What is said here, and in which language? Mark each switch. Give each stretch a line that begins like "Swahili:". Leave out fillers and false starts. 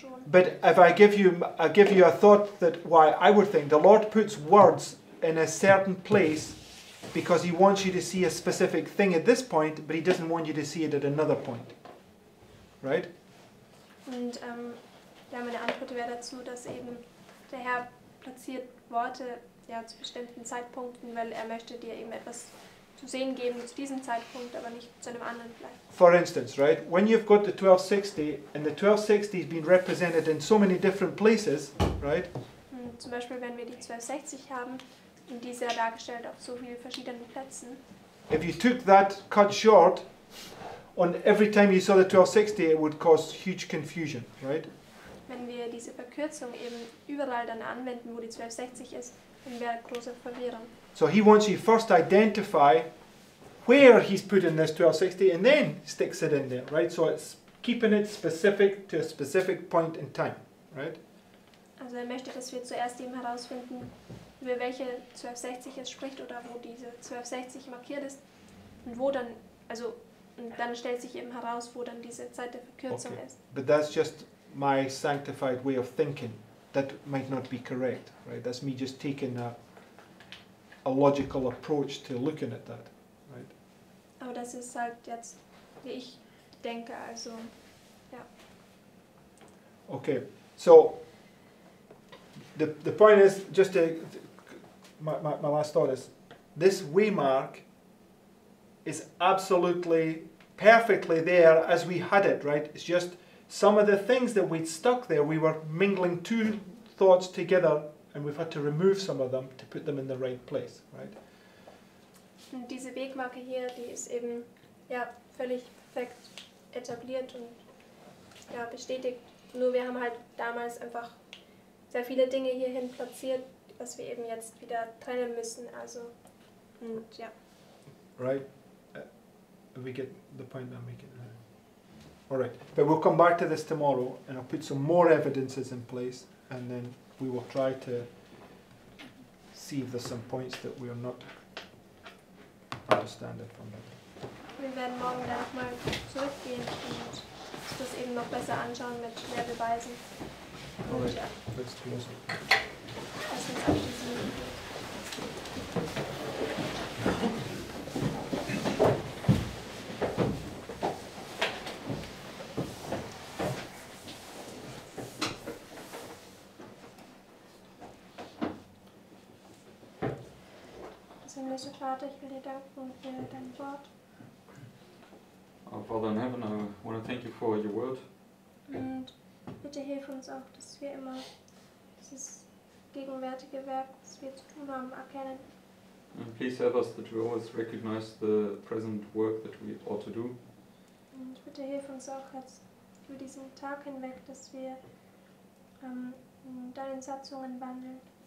English: But if I give you a thought that why I would think, the Lord puts words in a certain place because he wants you to see a specific thing at this point, but he doesn't want you to see it at another point, right?
German: Und ja, meine Antwort wäre dazu, dass eben der Herr platziert Worte ja zu bestimmten Zeitpunkten, weil er möchte dir eben etwas zu sehen geben zu diesem Zeitpunkt, aber nicht zu einem anderen vielleicht.
English: For instance, right? When you've got the 1260 and the 1260 has been represented in so many different places, right?
German: Und zum Beispiel, wenn wir die 1260 haben und die ist ja dargestellt auf so vielen verschiedenen Plätzen.
English: If you took that cut short, and every time you saw the 1260, it would cause huge confusion, right?
German: Wenn wir diese Verkürzung eben überall dann anwenden, wo die 1260 ist, dann wäre große Verwirrung.
English: So he wants you first to identify where he's putting this 1260 and then sticks it in there, right? So it's keeping it specific to a specific point in time, right?
German: Also er möchte, dass wir zuerst eben herausfinden, über welche 1260 es spricht oder wo diese 1260 markiert ist und wo dann, also und dann stellt sich eben heraus, wo dann diese Zeit der Verkürzung okay. ist.
English: But that's just my sanctified way of thinking. That might not be correct, right? That's me just taking a logical approach to looking at that, right?
German: Aber das ist halt jetzt, wie ich denke, also, ja.
English: Okay, so, the point is, just my last thought is, this waymark is absolutely perfectly there as we had it, right? It's just some of the things that we'd stuck there, we were mingling two thoughts together and we've had to remove some of them to put them in the right place, right?
German: Und diese Wegmarke hier, die ist eben ja völlig perfekt etabliert und ja bestätigt. Nur wir haben halt damals einfach sehr viele Dinge hierhin platziert, was wir eben jetzt wieder trennen müssen, also und ja.
English: Right? We get the point I'm making. All right, but we'll come back to this tomorrow, and I'll put some more evidences in place, and then we will try to see if there's some points that we are not understanding from that.
German: Wir werden morgen nochmal zurückgehen und das eben noch besser anschauen mit mehr Beweisen.
English: All right, let's close it.
German: Himmlische Vater, ich will dir danken für dein Wort.
English: Our Father in Heaven, I want to thank you for your word.
German: Und bitte hilf uns auch, dass wir immer dieses gegenwärtige Werk, das wir zu tun haben, erkennen.
English: And please help us that we always recognize the present work that we ought to do.
German: Und bitte hilf uns auch, dass über diesen Tag hinweg, dass wir deinen Satzungen wandeln.